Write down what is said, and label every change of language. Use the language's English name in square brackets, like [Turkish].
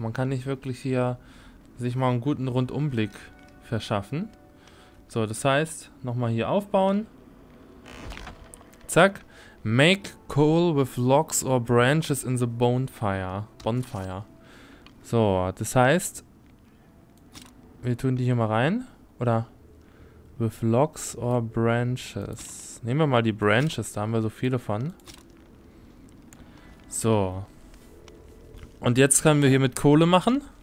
[German] Man kann nicht wirklich hier sich mal einen guten Rundumblick verschaffen. So, das heißt, nochmal hier aufbauen. Zack. [English] Make coal with logs or branches in the bonfire. [German] Bonfire. So, das heißt, wir tun die hier mal rein. [English] Oder with logs or branches. [German] Nehmen wir mal die Branches, da haben wir so viele von. So. Und jetzt können wir hier mit Kohle machen.